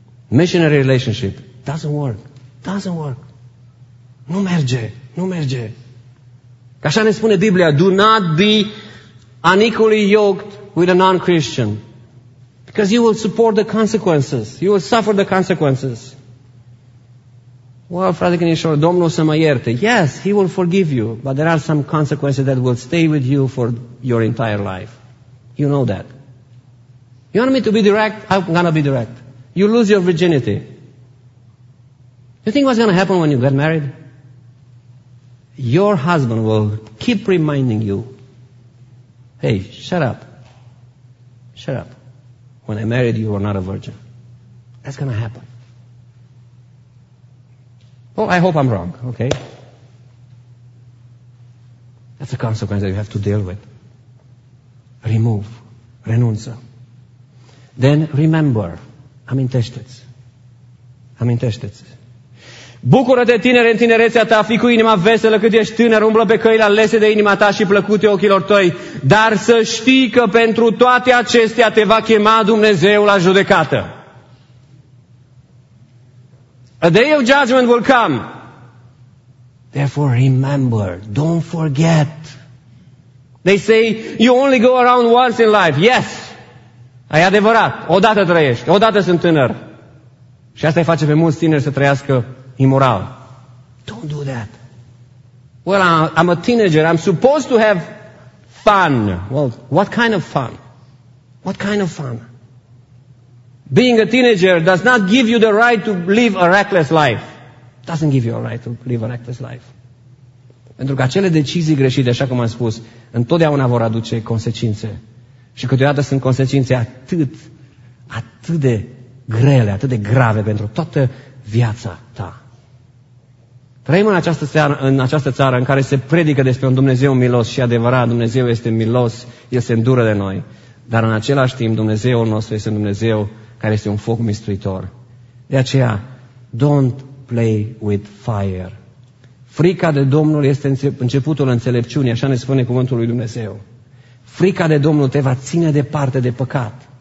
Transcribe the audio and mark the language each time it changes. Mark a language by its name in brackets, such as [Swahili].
[English] Missionary relationship. Doesn't work. [Romanian] Nu merge. Așa ne spune Biblia. [English] Do not be unequally yoked with a non-Christian. Because you will support the consequences. You will suffer the consequences. [Romanian] Well, Frate Cineșor, Domnul să mă ierte. [English] Yes, He will forgive you, but there are some consequences that will stay with you for your entire life. You know that. You want me to be direct? I'm going to be direct. You lose your virginity. You think what's going to happen when you get married? Your husband will keep reminding you, hey, shut up. Shut up. When I married you, you were not a virgin. That's going to happen. Oh, I hope I'm wrong, okay? That's a consequence that you have to deal with. Remove. Renunță. Then remember. [Romanian] Amintește-ți. Bucură-te, tinere, în tinerețea ta, fii cu inima veselă cât ești tânăr, umblă pe căile alese de inima ta și plăcute ochilor tăi, dar să știi că pentru toate acestea te va chema Dumnezeu la judecată. [English] A day of judgment will come. Therefore, remember. Don't forget. They say, you only go around once in life. [Romanian] Yes. Ai adevărat. Odată trăiești. Odată sunt tânăr. Și asta îi face pe mulți tineri să trăiască imoral. [English] Don't do that. Well, I'm a teenager. I'm supposed to have fun. Well, what kind of fun? What kind of fun? Being a teenager does not give you the right to live a reckless life. Doesn't give you a right to live a reckless life. [Romanian] Pentru că acele decizii greșite, așa cum am spus, întotdeauna vor aduce consecințe. Și câteodată sunt consecințe atât de grele, atât de grave pentru toată viața ta. Trăim în această țară în care se predică despre un Dumnezeu milos și adevărat, Dumnezeu este milos, El se îndură de noi. Dar în același timp, Dumnezeul nostru este Dumnezeu care este un foc mistuitor. De aceea, [English] don't play with fire. [Romanian] Frica de Domnul este începutul înțelepciunii, așa ne spune cuvântul lui Dumnezeu. Frica de Domnul te va ține departe de păcat.